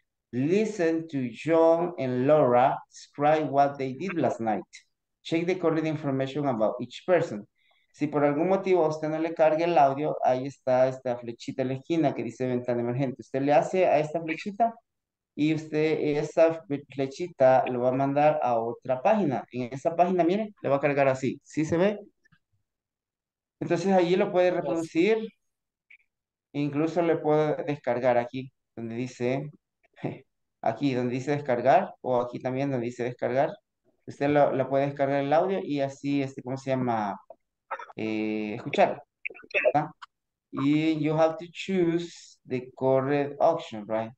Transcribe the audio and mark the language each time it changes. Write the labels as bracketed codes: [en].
[en] Listen to John and Laura describe what they did last night. Check the correct information about each person. [es] Si por algún motivo a usted no le cargue el audio, ahí está esta flechita en la esquina que dice ventana emergente. Usted le hace a esta flechita y usted esa flechita lo va a mandar a otra página. En esa página, mire, le va a cargar así. ¿Sí se ve? Entonces allí lo puede reproducir. Incluso le puedo descargar aquí, donde dice, descargar, o aquí también donde dice descargar. Usted lo puede descargar el audio y así, ¿cómo se llama? Escuchar. ¿Verdad? [en] Y you have to choose the correct option, right?